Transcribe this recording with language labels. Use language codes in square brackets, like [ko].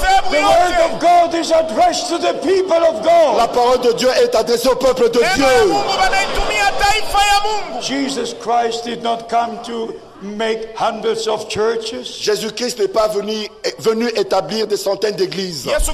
[en] The word of God is addressed to the people of God. [fr] La parole de Dieu est adressée au peuple de Dieu. [en] Jesus Christ did not come to make hundreds of churches. [fr] Jésus-Christ n'est pas venu établir des centaines d'églises.